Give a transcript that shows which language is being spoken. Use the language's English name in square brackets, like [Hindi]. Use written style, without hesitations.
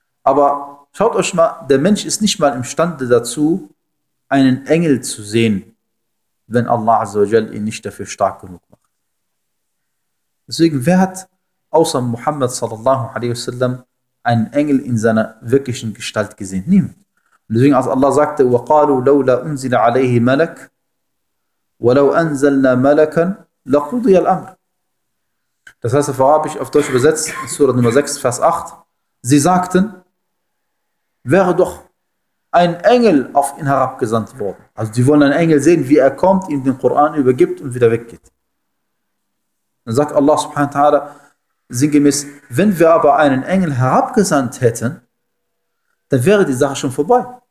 [German] Aber schaut euch mal, der Mensch ist nicht mal imstande dazu, einen Engel zu sehen, wenn Allah Azza wa Jal ihn nicht dafür stark genug macht. Deswegen, wer hat außer Muhammad sallallahu alaihi wasallam einen Engel in seiner wirklichen Gestalt gesehen? Niemand. Und deswegen, als Allah sagte, [Arabic] وَقَالُوا لَوْلَا أُنزِلَ عَلَيْهِ مَلَكٌ وَلَوْ أَنزَلْنَا مَلَكًا لَقُضِيَ الْأَمْرُ. [German] Das heißt auf Arabisch, auf Deutsch übersetzt, Surah Nummer 6, Vers 8, sie sagten, wäre doch ein Engel auf ihn herabgesandt worden. Also sie wollen einen Engel sehen, wie er kommt, ihm den Koran übergibt und wieder weggeht. Dann sagt Allah subhanahu wa ta'ala sinngemäß, wenn wir aber einen Engel herabgesandt hätten, dann wäre die Sache schon vorbei.